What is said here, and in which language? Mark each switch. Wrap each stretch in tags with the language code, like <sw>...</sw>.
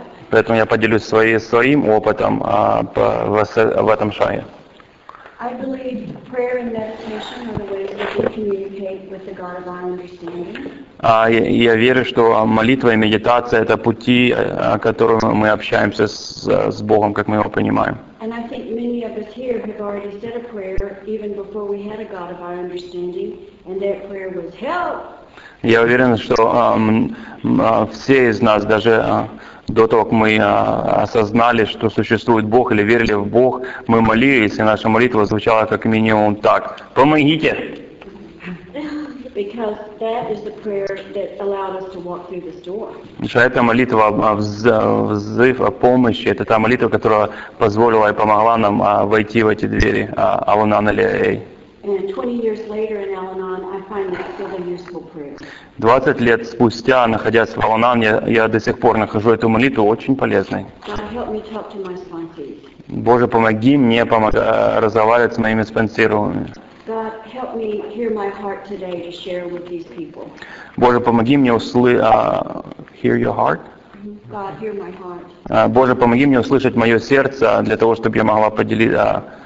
<ru>Поэтому я поделюсь своим опытом в этом шаге.</ru> <en>I believe prayer and meditation are the ways that we communicate with the God of our understanding.</en> <ru>Я верю, что молитва и медитация — это пути, которыми мы общаемся с Богом, как мы его понимаем.</ru> <en>And I think many of us here have already said a prayer even before we had a God of our understanding, and that prayer was help.</en> <ru>Я уверен, что все из нас, даже до того, как мы осознали, что существует Бог или верили в Бог, мы молились, и наша молитва звучала как минимум так. Помогите!</ru> <en>Because that is the prayer that allowed us to walk through this door.</en> <ru>Эта молитва, взыв о помощи, это та молитва, которая позволила и помогла нам войти в эти двери, Аланан или Эй.</ru> <en>And 20 years later in Al-Anon, I find that still a useful prayer.</en> <ru>20 лет спустя, находясь в Al-Anon, я до сих пор нахожу эту молитву очень полезной.</ru> <en>God, help me talk to my sponsees.</en> <ru>Боже, помоги мне разговаривать с моими спонсируемыми.</ru> <en>God, help me hear my heart today to share with these people.</en> <ru>Боже, помоги мне</ru> <en>hear your heart. God, hear my heart.</en> <ru>Боже, помоги мне услышать мое сердце для того, чтобы я могла поделиться.</ru>